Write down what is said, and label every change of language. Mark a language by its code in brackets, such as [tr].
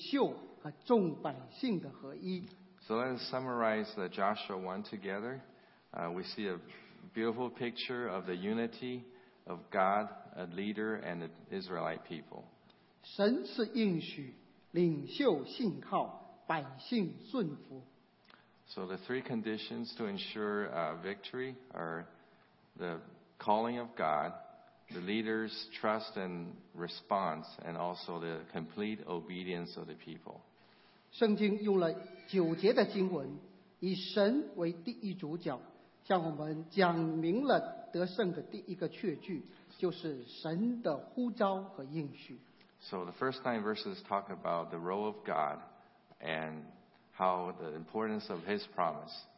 [zh] 最后我们来总结一下今天的信息。约书亚记的第一章向我们展现了一个重要的画面，让我们看见一个非常合一的体系，就是神、领袖和众百姓的合一。So [en] let's summarize the Joshua 1 together. We see a beautiful picture of the unity of God, a leader, and the Israelite people. [zh] 神赐应许，领袖信靠，百姓顺服。 [en] So the three conditions to ensure victory are the calling of God, the leader's trust and response, and also the complete obedience of the people. [zh] 圣经用了九节的经文，以神为第一主角。向我们讲明了得胜的第一个确据，就是神的呼召和应许。So [en] the first 9 verses talk about the role of God and how the importance of His promise.